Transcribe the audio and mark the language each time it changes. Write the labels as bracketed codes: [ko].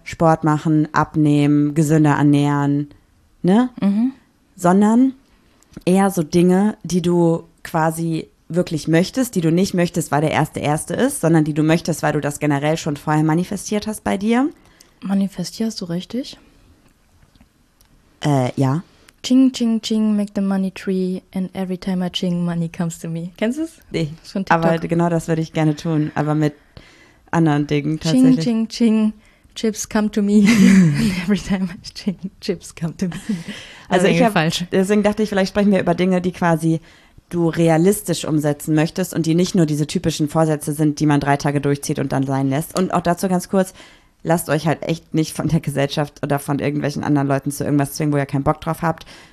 [de] Sport machen, abnehmen, gesünder ernähren, ne? Mhm. Sondern eher so Dinge, die du quasi wirklich möchtest, die du nicht möchtest, weil der Erste ist, sondern die du möchtest, weil du das generell schon vorher manifestiert hast bei dir. Manifestierst du richtig? Ja. [en] Ching, ching, ching, make the money tree and every time I ching, money comes to me. [de] Kennst du es? Nee, das ist von TikTok. Aber genau das würde ich gerne tun, aber mit anderen Dingen tatsächlich. [en] Ching, ching, ching, chips come to me and every time I ching, chips come to me. [de] Also ich habe, deswegen dachte ich, vielleicht sprechen wir über Dinge, die quasi du realistisch umsetzen möchtest und die nicht nur diese typischen Vorsätze sind, die man 3 Tage durchzieht und dann sein lässt. Und auch dazu ganz kurz. Lasst euch halt echt nicht von der Gesellschaft oder von irgendwelchen anderen Leuten zu irgendwas zwingen, wo ihr keinen Bock drauf habt.